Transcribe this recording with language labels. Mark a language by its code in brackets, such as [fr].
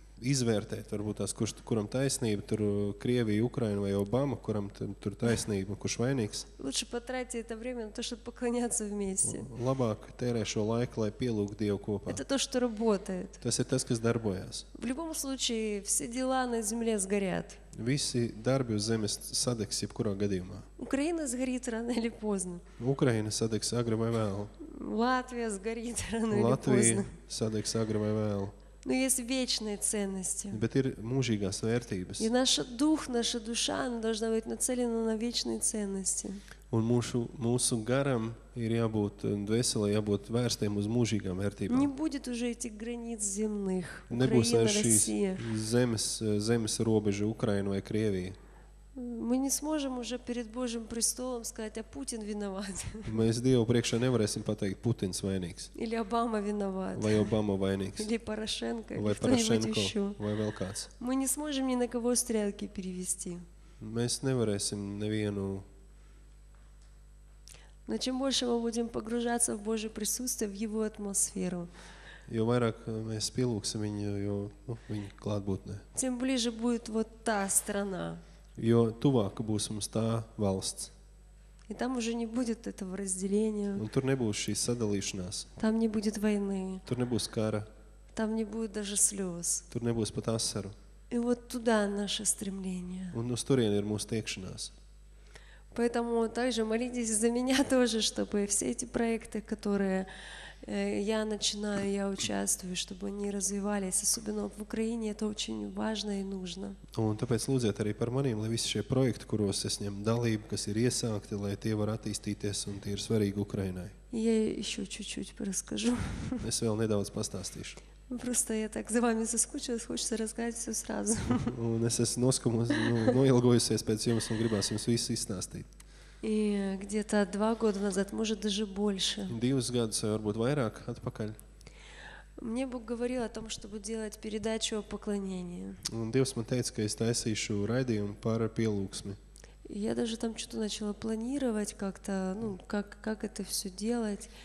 [lv] izvērtēt, varbūt tās, kurš, kuram taisnība, tur Krievija, Ukraina vai Obama, kuram tur taisnība, kurš vainīgs. [ru] Лучше потратить это время на то, чтобы поклоняться вместе. [lv] Labāk tērēt šo laiku, lai pielūgtu Dievu kopā. [ru] Это то, что работает. [lv] Tas ir tas, kas darbojas. [ru] В любом случае все дела на земле сгорят. [lv] Visi darbi uz zemes sadegs jebkurā gadījumā. [ru] Ukraina sgorīt rano ili pozno. [lv] Ukraina sadegs agri vai vēlu. [ru] Latvija sgorīt rano ili Latvija pozno. [lv] Sadegs agri vai vēlu. [ru] Но есть вечные ценности. [lv] Bet ir mūžīgās vērtības. [ru] И наш дух, наша душа, она должна быть нацелена на вечные ценности. [lv] Un mūsu garam ir jābūt dvēselē, jābūt vērstiem uz mūžīgām vērtībām. [ru] Не будет уже этих границ земных. [lv] Nebūs vairs šīs zemes robežu Ukraina vai Krievija. [ru] Мы не сможем уже перед Божьим престолом сказать, а Путин виноват. [lv] Mēs Dievu priekšā nevarēsim pateikt, Putins vainīgs. [ru] Или Обама виноват. [lv] Vai Obama vainīgs. [ru] Или Порошенко. [lv] Vai Порошенко. Vai vēl kāds. [ru] Мы не сможем ни на кого стрелки перевести. [lv] Mēs nevarēsim nevienu. [ru] Но чем больше мы будем погружаться в Божье присутствие, в Его атмосферу. [lv] Jo vairāk mēs pielūksim viņu, jo viņa klātbūtnē. [ru] Тем ближе будет вот та страна. [lv] Jo tuvāk būs mums tā valsts. [ru] И там уже не будет этого разделения. [lv] Un tur nebūs šī sadalīšanās. [ru] Там не будет войны. [lv] Tur nebūs kara. [ru] Там не будет даже слёз. [lv] Tur nebūs pat asaru. [ru] И вот туда наше стремление. [lv] Un uz turieni ir mūsu tiekšanās. [ru] Поэтому также молитесь за меня тоже, чтобы все эти проекты, которые я начинаю, я участвую, чтобы они развивались, особенно в Украине, это очень важно и нужно. [lv] Un tāpēc lūdziet arī par maniem, lai visi šie projekti, kuros es ņem dalību, kas ir iesākti, lai tie var attīstīties un tie ir svarīgi Ukrainai. [ru] Я ещё чуть-чуть расскажу. [lv] Es vēl nedaudz pastāstīšu. [ru] Просто я так за вами соскучилась, хочется рассказать всё сразу. [lv] Un es esmu noskumusi, noilgojusies pēc jums un gribās jums visu izstāstīt. [ru] И где-то 2 года назад, может даже больше. [lv] Divus gadus, varbūt vairāk atpakaļ. [ru] Мне Бог говорил о том, чтобы делать передачу о поклонении. [lv] Un Dievs man teica, ka es taisīšu raidījumu par pielūksmi. [ru] Я даже там что-то начала планировать как-то, ну, как это всё делать.